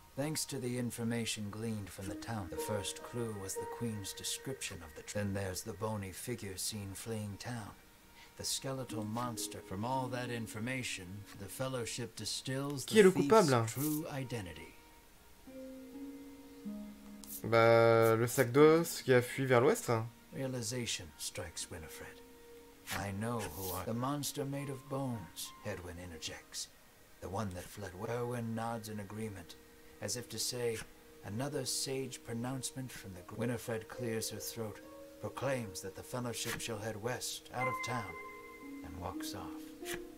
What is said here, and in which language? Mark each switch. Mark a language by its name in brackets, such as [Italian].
[English] Thanks to the information gleaned from the town, the first clue was the queen's description of the Then there's the bony figure seen fleeing town. The skeletal monster. From all that information, the fellowship distills the thief's true identity. [French] Bah, le sac d'os qui a fui vers l'ouest. [English] Realization strikes Winifred. I know who are the monster made of bones, Edwin interjects. The one that fled. Erwin nods in agreement. As if to say, another sage pronouncement from the Winifred clears her throat, proclaims that the fellowship shall head west, out of town, and walks off.